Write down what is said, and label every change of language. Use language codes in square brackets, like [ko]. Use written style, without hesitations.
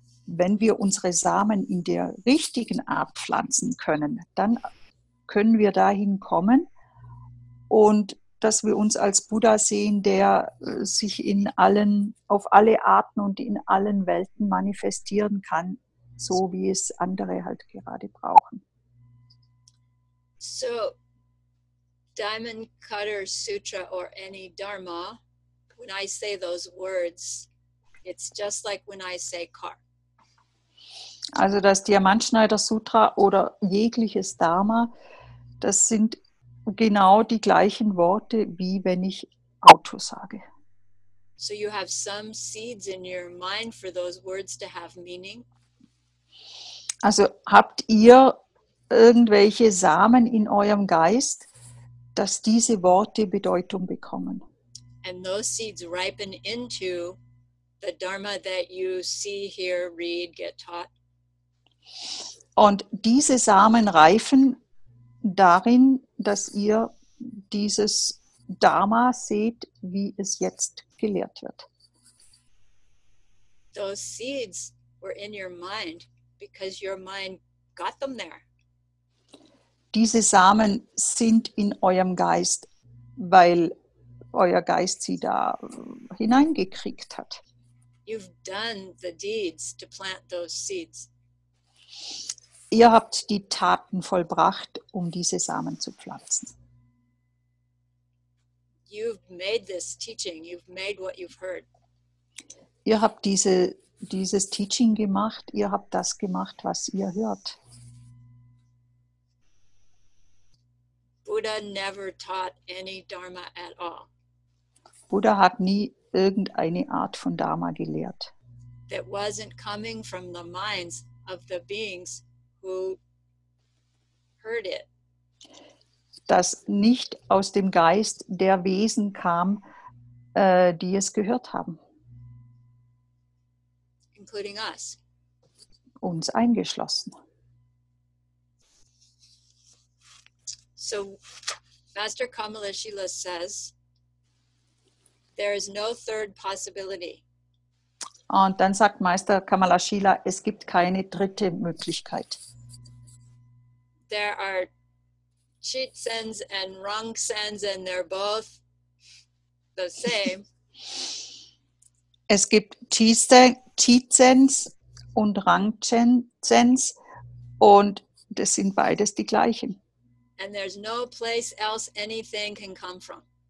[de] wenn wir unsere Samen in der richtigen Art pflanzen können, dann können wir dahin kommen und dass wir uns als Buddha sehen, der sich in allen, auf alle Arten und in allen Welten manifestieren kann, so wie es andere halt gerade brauchen. [en] So, Diamond Cutter Sutra or any Dharma, when I say those words, it's just like when I say car. [de] Also das Diamantschneider Sutra oder jegliches Dharma, das sind genau die gleichen Worte, wie wenn ich Auto sage. [en] So you have some seeds in your mind for those words to have meaning? [de] Also habt ihr irgendwelche Samen in eurem Geist, dass diese Worte Bedeutung bekommen? [en] And those seeds ripen into the Dharma that you see, hear, read, get taught. [de] Und diese Samen reifen darin, dass ihr dieses Dharma seht, wie es jetzt gelehrt wird. [en] Those seeds were in your mind because your mind got them there. [de] Diese Samen sind in eurem Geist, weil euer Geist sie da hineingekriegt hat. [en] You've done the deeds to plant those seeds. [de] Ihr habt die Taten vollbracht, um diese Samen zu pflanzen. [en] You've made this teaching. You've made what you've heard. [de] Ihr habt dieses Teaching gemacht. Ihr habt das gemacht, was ihr hört. [en] Buddha never taught any Dharma at all. [de] Buddha hat nie irgendeine Art von Dharma gelehrt. [en] That wasn't coming from the minds of the beings who heard it. [de] Das nicht aus dem Geist der Wesen kam, die es gehört haben. [en] Including us. [de] Uns eingeschlossen. [en] So, Master Kamalashila says, there is no third possibility. [de] Und dann sagt Meister Kamalashila, es gibt keine dritte Möglichkeit. [en] There are Chitsens and Rongsens and they're both the same. [de] Es gibt Chitsens und Rongsens und das sind beides die gleichen. [en] And there's no place else anything can come from.